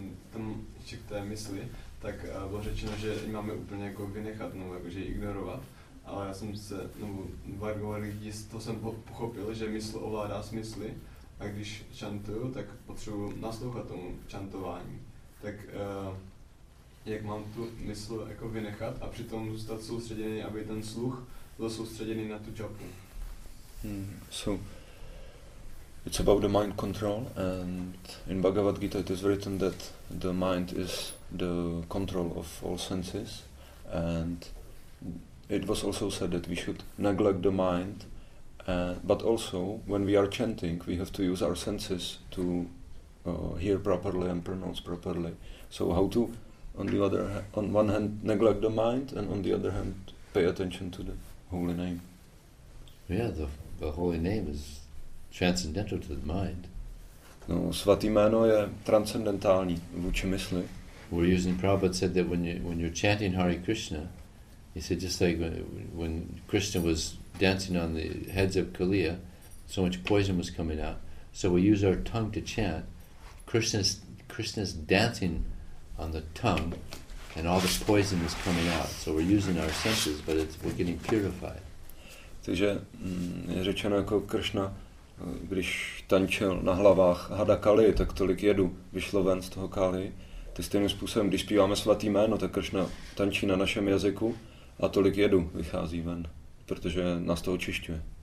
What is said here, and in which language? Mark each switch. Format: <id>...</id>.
<cs>Tam ještě k té mysli, tak bylo řečeno, že máme úplně jako vynechat, no, jakože ignorovat, ale já jsem se, no, vargovalých lidí, to jsem pochopil, že mysl ovládá smysly, a když čantuju, tak potřebuji naslouchat tomu čantování. Tak jak mám tu mysl jako vynechat a přitom zůstat soustředěný, aby ten sluch byl soustředěný na tu čapu?</cs> <en>It's about the mind control, and in Bhagavad Gita it is written that the mind is the control of all senses, and it was also said that we should neglect the mind, but also when we are chanting we have to use our senses to hear properly and pronounce properly. So how to, on one hand neglect the mind and on the other hand pay attention to the holy name? Yeah, the holy name is transcendental to the mind.</en> <cs>No, svatý jméno je transcendentální vůči mysli.</cs> <en>We're using Prabhupada said that when you're chanting Hare Krishna, he said just like when Krishna was dancing on the heads of Kaliya, so much poison was coming out. So we use our tongue to chant. Krishna's dancing on the tongue, and all the poison is coming out. So we're using our senses, but we're getting purified.</en> <cs>Takže je řečeno, jako Kršna, když tančil na hlavách hada Kali, tak tolik jedu vyšlo ven z toho Kali. Ty stejným způsobem, když zpíváme svatý jméno, tak Kršna tančí na našem jazyku a tolik jedu vychází ven, protože nás to očišťuje.</cs>